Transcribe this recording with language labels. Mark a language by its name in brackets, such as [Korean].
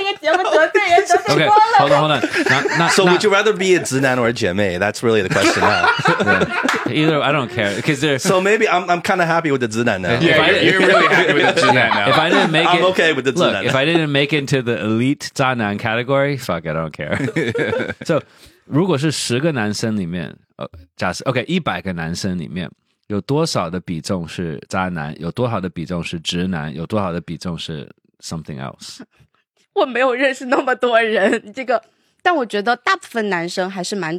[Chinese] 完了，这个节目得罪人得多了。 [English] Hold on. So would you rather be a 直男 or a Jamie? That's really the question now. Yeah. Either I don't care because there. So maybe I'm kind of happy with the 直男 now. Yeah, you're really happy with the 直男 now. If I didn't make I'm okay with the 直男 now. If I didn't make it into the elite 渣男 category, fuck, I don't care. [Chinese] So, 如果是十个男生里面，假设 OK， 一百个男生里面有多少的比重是渣男？有多少的比重是直男？有多少的比重是？ [English] Something else. [Chinese] 我没有认识那么多人，这个，但我觉得大部分男生还是蛮